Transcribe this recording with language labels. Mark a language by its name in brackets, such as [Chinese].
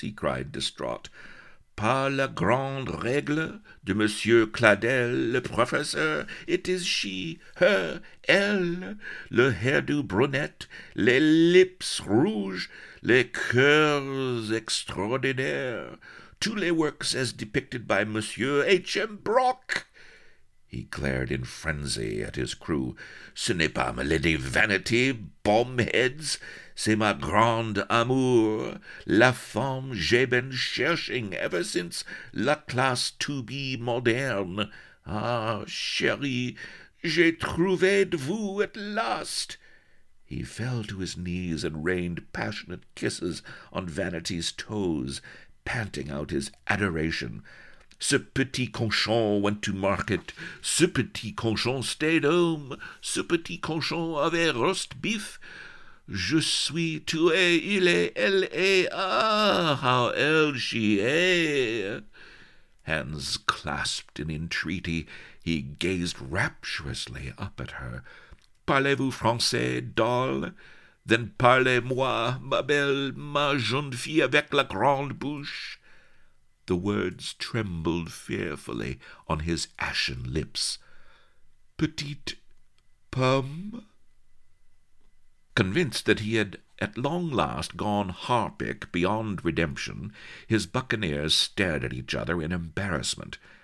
[English] he cried, distraught. [French] "Par la grande règle de Monsieur Cladel, le professeur, [English] it is she, her, [French] elle, le hairdo brunette, les lips rouges, les cœurs extraordinaires, tous les [English] works as depicted by [French] Monsieur H.M. Brock." [English] He glared in frenzy at his crew. [French] "Ce n'est pas ma lady vanity, bombheads. C'est ma grande amour, la femme j'ai [English] been [French] cherching [English] ever since [French] la classe [English] to be [French] moderne. Ah, chérie, j'ai trouvé de vous [English] at last." He fell to his knees and rained passionate kisses on Vanity's toes, panting out his adoration. [French] Ce petit cochon [English] went to market. [French] Ce petit cochon [English] stayed home. [French] Ce petit cochon avait roast beef. Je suis tué, il est, elle est, ah, [English] how ill she [French] est. [English] Hands clasped in entreaty, he gazed rapturously up at her. [French] Parlez-vous français, [English] doll? [French] Then parlez-moi, ma belle, ma jeune fille avec la grande bouche. [English] The words trembled fearfully on his ashen lips. [French] Petite pomme? [English] Convinced that he had at long last gone harpic beyond redemption, his buccaneers stared at each other in embarrassment.